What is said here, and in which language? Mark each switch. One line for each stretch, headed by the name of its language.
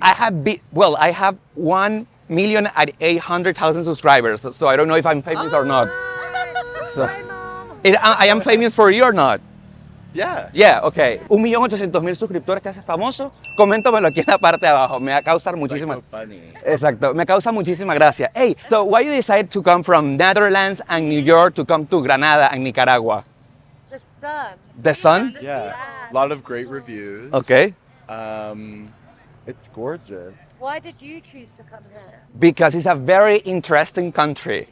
English: I have 1,800,000 subscribers, so I don't know if I'm famous or not. So, I am famous for you or not? Yeah. Yeah, okay.
Spanish: 1,800,000 suscriptores te hace famoso. Coméntamelo aquí en la parte de abajo. Me va a causar muchísima.
English: So funny.
Spanish: Exacto. Me causa muchísima gracia.
English: Hey, so why you decide to come from Netherlands and New York to come to Granada and Nicaragua? The sun. The sun? Yeah. A lot of great reviews. Okay. It's gorgeous. Why did you choose to come here? Because it's a very interesting country.